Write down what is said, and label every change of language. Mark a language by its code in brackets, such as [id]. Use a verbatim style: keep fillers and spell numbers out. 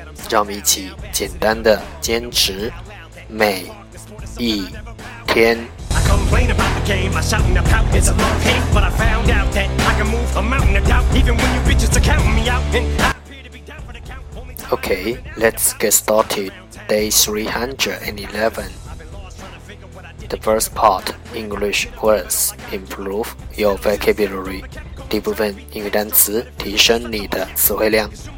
[zh] 让我们一起简单的坚持每一天。 [en] Complain about the game, I shout and I pout, it's a love hate, but I found out that I can move a mountain of doubt, even when you bitches are counting me out, and I appear to be down for the count. Okay, let's get started. Day three hundred eleven. The first part, English words, improve your vocabulary. [zh] 第一部分英语单词，提升你的词汇量。